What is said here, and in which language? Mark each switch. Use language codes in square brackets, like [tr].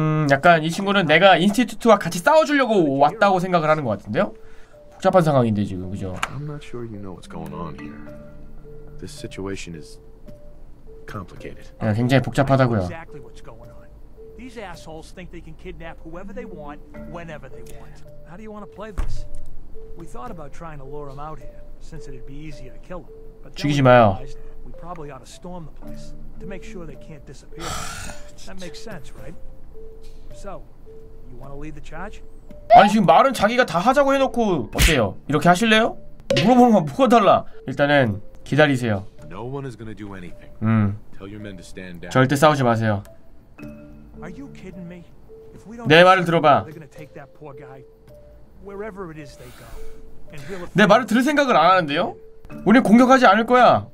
[ko] 약간 이 친구는 내가 인스티튜트와 같이 싸워주려고 왔다고 생각을 하는 것 같은데요? 복잡한 상황인데 지금 그죠? [en] I'm not sure you know what's going on here. This situation is complicated. [ko] 야, 굉장히 복잡하다고요. [en] Exactly what's going on. These assholes think they can kidnap whoever they want, whenever they want. How do you want to play this? We thought about trying to lure them out here, since it'd be easier to kill them. [ko] 죽이지 마요. [en] We probably ought to storm the place to make sure they can't disappear. That makes sense, right? So, you want to lead the charge? [ko] 아니 지금 말은 자기가 다 하자고 해놓고 어때요? 이렇게 하실래요? 물어보는 건 뭐가 달라? 일단은 기다리세요. [en] No one is gonna do anything. Tell your men to stand down. [ko] 절대 싸우지 마세요. [en] Are you kidding me? If we don't [ko] 내 말을 들어봐. [en] They're gonna take that poor guy wherever it is they go. [ko] 내 말을 들을 생각을 안 하는데요? 우린 공격하지 않을 거야.